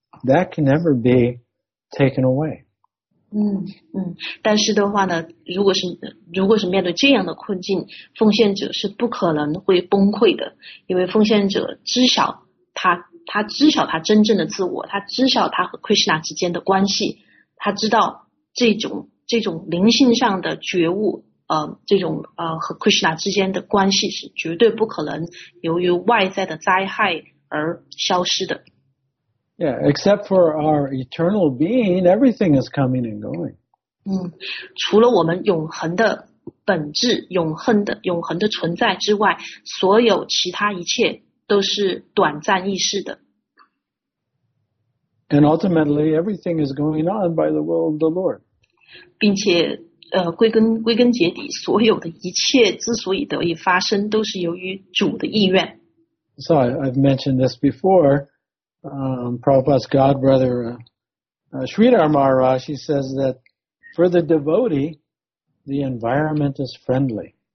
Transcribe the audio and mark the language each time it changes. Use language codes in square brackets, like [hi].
[en] That can never be taken away. [zh] 但是的话呢，如果是面对这样的困境，奉献者是不可能会崩溃的，因为奉献者知晓他知晓他真正的自我，他知晓他和 Krishna 之间的关系，他知道这种灵性上的觉悟，和 Krishna 之间的关系是绝对不可能由于外在的灾害而消失的。 [en] Yeah, except for our eternal being, everything is coming and going. [zh] 除了我们永恒的本质、永恒的存在之外，所有其他一切都是短暂易逝的。 [en] And ultimately, everything is going on by the will of the Lord. [zh] 并且，归根结底，所有的一切之所以得以发生，都是由于主的意愿。 [en] So I've mentioned this before. Prabhupada's godbrother, Sridhar Maharaj, he says that for the devotee, the environment is friendly.